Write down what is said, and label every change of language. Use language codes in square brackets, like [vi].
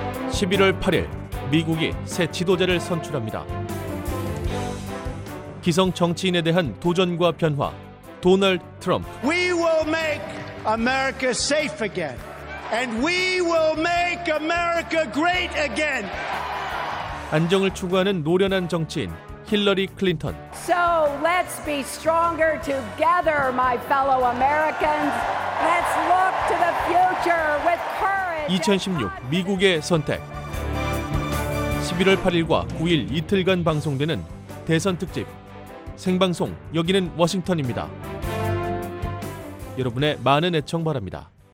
[ko] 11월 8일 미국이 새 지도자를 선출합니다. 기성 정치인에 대한 도전과 변화, 도널드 트럼프. [en] We will make America safe again. And we will make America great again. 안정을 추구하는 노련한 정치인 힐러리 클린턴. So let's be stronger together, my fellow Americans. Let's look to the future with courage. [ko] 2016 미국의 선택. 11월 8일과 9일 이틀간 방송되는 대선 특집 생방송 여기는 워싱턴입니다. 여러분의 많은 애청 바랍니다.